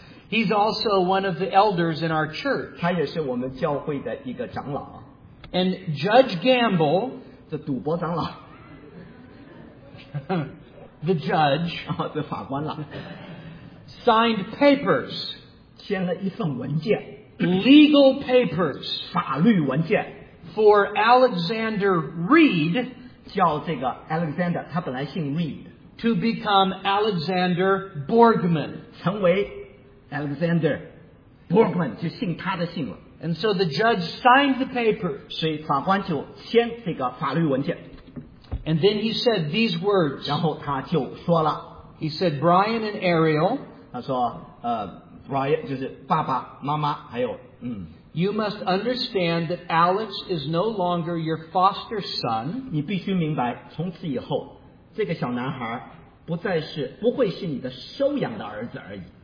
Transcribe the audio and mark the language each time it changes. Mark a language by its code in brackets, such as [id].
[en] He's also one of the elders in our church. [zh] 他也是我们教会的一个长老。 [en] And Judge Gamble, [zh] 这赌博长老, [en] the judge, [zh] 这法官了, [en] signed papers, [zh] 签了一份文件, [en] legal papers, [zh] 法律文件, [en] for Alexander Reed, [zh] 叫这个 Alexander, 他本来姓 Reed, [en] to become Alexander Borgman. [zh] 成为 Alexander Borgman, 就姓他的姓了。 [en] And so the judge signed the paper. [zh] 所以法官就签这个法律文件。 [en] And then he said these words. [zh] 然后他就说了, [en] He said Brian and Ariel. [zh] 他说, Brian, 就是爸爸, 妈妈, 还有, [en] you must understand that Alex is no longer your foster son. [zh] 你必须明白, 从此以后,这个小男孩不会是你的收养的儿子而已。